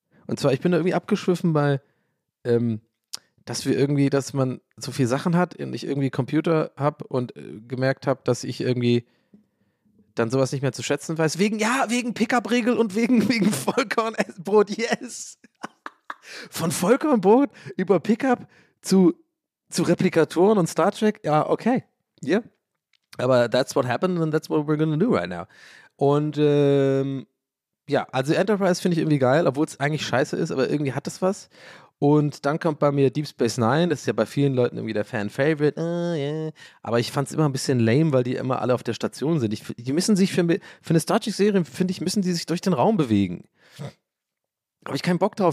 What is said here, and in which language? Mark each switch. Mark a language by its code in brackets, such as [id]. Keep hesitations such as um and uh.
[de] Und zwar, ich bin da irgendwie abgeschwiffen bei, ähm, dass wir irgendwie, dass man so viel Sachen hat und ich irgendwie Computer habe und äh, gemerkt habe, dass ich irgendwie dann sowas nicht mehr zu schätzen weiß. Wegen, ja, wegen Pickup-Regel und wegen, wegen Vollkornbrot, yes. Von Vollkornbrot über Pickup zu, zu Replikatoren und Star Trek, ja, okay. [en] Yeah. Aber that's what happened and that's what we're gonna do right now. [de] Und ähm, ja, also Enterprise finde ich irgendwie geil, obwohl es eigentlich scheiße ist, aber irgendwie hat es was. Und dann kommt bei mir Deep Space Nine, das ist ja bei vielen Leuten irgendwie der Fan-Favorite. [en] Ah, yeah. [de] Aber ich fand es immer ein bisschen lame, weil die immer alle auf der Station sind. Ich, die müssen sich für, für eine Star Trek-Serie, finde ich, müssen die sich durch den Raum bewegen. Habe ich keinen Bock drauf.